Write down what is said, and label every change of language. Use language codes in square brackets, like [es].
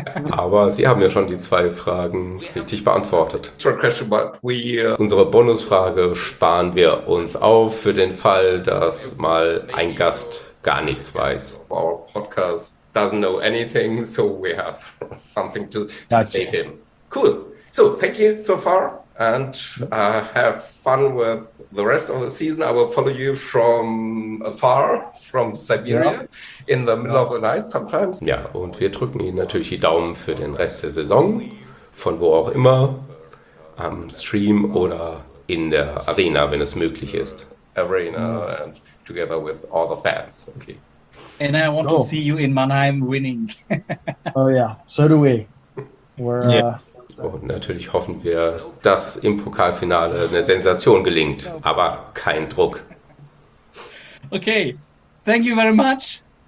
[de] Aber sie haben ja schon die zwei Fragen richtig beantwortet. Unsere Bonusfrage sparen wir uns auf für den Fall, dass mal ein Gast gar nichts weiß. [en] Our podcast doesn't know anything, so we have something to save him. Cool. So, thank you so far. And have fun with the rest of the season. I will follow you from afar, from Siberia, in the middle of the night sometimes. [de] Ja, und wir drücken Ihnen natürlich die Daumen für den Rest der Saison, von wo auch immer, am Stream oder in der Arena, wenn es möglich ist. [en] Arena and together with all the fans. Okay. And I want to see you in Mannheim winning. Oh yeah, so do we. We're, yeah. [de] Und natürlich hoffen wir, dass im Pokalfinale eine Sensation gelingt, aber kein Druck. [en] Okay, thank you very much.